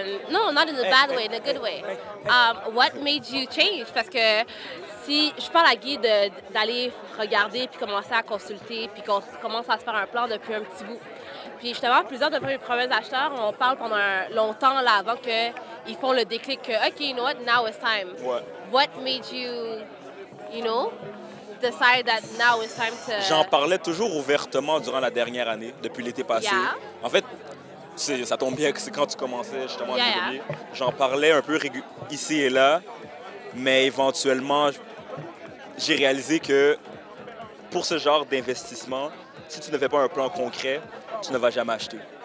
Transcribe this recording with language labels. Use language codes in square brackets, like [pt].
[en] Not in a bad way, in a good way. What made you change? [fr] Parce que si je parle à Guy d'aller regarder puis commencer à consulter puis qu'on commence à se faire un plan depuis un petit bout. Puis justement, plusieurs de mes premiers acheteurs, on parle pendant longtemps là avant qu'ils font le déclic que, [en] OK, you know what, now it's time. What made you, you know, decide that now it's time to... [fr] J'en parlais toujours ouvertement durant la dernière année, depuis l'été passé. [en] Yeah. [fr] En fait, ça tombe bien que c'est quand tu commençais justement en Immobilier. J'en parlais un peu ici et là, mais éventuellement, j'ai réalisé que pour ce genre d'investissement, si tu ne fais pas un plan concret, tu ne vas jamais acheter.